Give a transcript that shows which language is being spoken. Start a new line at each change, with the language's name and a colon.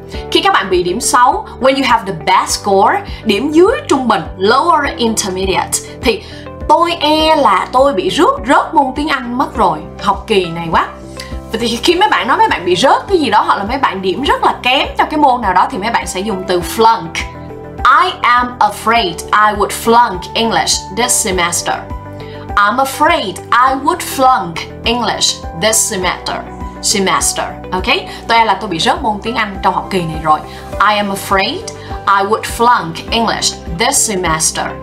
Vietnamese: Khi các bạn bị điểm xấu,
English: when you have the bad score,
Vietnamese: điểm dưới trung bình,
English: lower intermediate,
Vietnamese: thì tôi e là tôi bị rớt môn tiếng Anh mất rồi, học kỳ này quá. Vậy thì khi mấy bạn nói mấy bạn bị rớt cái gì đó hoặc là mấy bạn điểm rất là kém cho cái môn nào đó thì mấy bạn sẽ dùng từ flunk.
English: I am afraid I would flunk English this semester. I'm afraid I would flunk English this semester. Semester, ok?
Vietnamese: Tôi là tôi bị rớt môn tiếng Anh trong học kỳ này rồi.
English: I am afraid I would flunk English this semester.